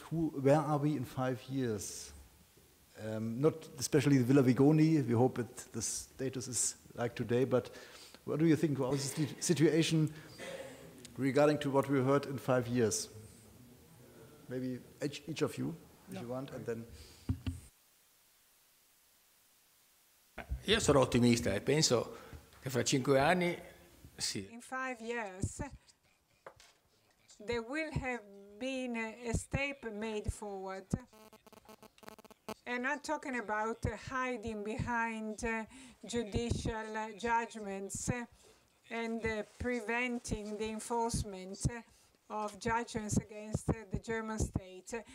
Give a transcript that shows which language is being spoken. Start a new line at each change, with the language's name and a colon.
English: Where are we in 5 years? Not especially the Villa Vigoni. We hope that the status is like today, but what do you think about the situation regarding to what we heard in 5 years? Maybe each of you, if you want, and then...
Italian: Io sono ottimista e penso che fra 5 anni sì.
English: In 5 years there will have been a step made forward. And I'm talking about hiding behind judicial judgments and preventing the enforcement of judgments against the German state.